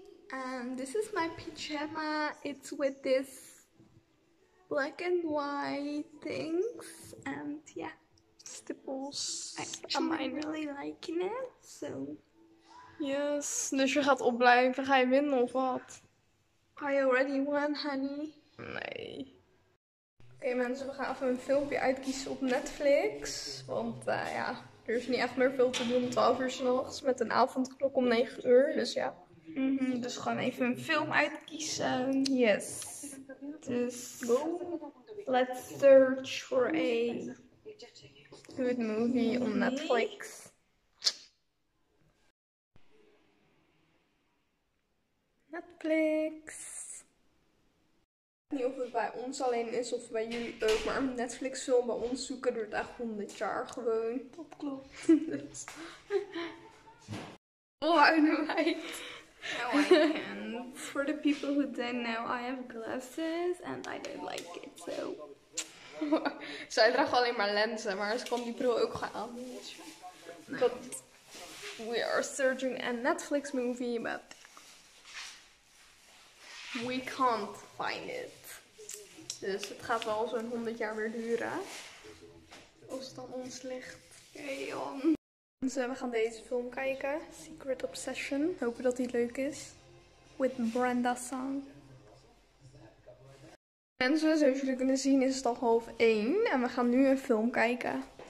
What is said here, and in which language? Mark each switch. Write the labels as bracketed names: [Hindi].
[English] And this is my pyjama, it's with this black and white things, and yeah, stipples. I'm really liking it, so. [Dutch] Yes, dus je gaat opblijven, ga je winnen of wat? [English] I already won, honey. [Dutch] Nee. Oké, mensen, we gaan even een filmpje uitkiezen op Netflix, want ja, er is niet echt meer veel te doen om 12 uur 's nachts met een avondklok om 9 uur, dus ja. Mm-hmm, dus gewoon even een film uitkiezen. [English] Yes. [Dutch] Dus, boom. [English] Let's search for a good movie on Netflix. Netflix. [Dutch] Ik weet niet of het bij ons alleen is of bij jullie ook, maar een Netflix film bij ons zoeken duurt echt 100 jaar gewoon. Dat klopt. [English] Oh, I know right. Now I can. For the people who don't know, I have glasses and I don't like it, so. [Dutch] Zij draagt alleen maar lenzen, maar ze kan die bril ook gaan aan. Nee. [English] But we are searching a Netflix movie, but we can't find it. [Dutch] Dus het gaat wel zo'n 100 jaar weer duren. Als het dan ons ligt. Hey, Jan. We gaan deze film kijken, Secret Obsession. Hopen dat die leuk is. [English] With Brenda Song. [Dutch] Mensen, zoals jullie kunnen zien is het al 12:30 en we gaan nu een film kijken.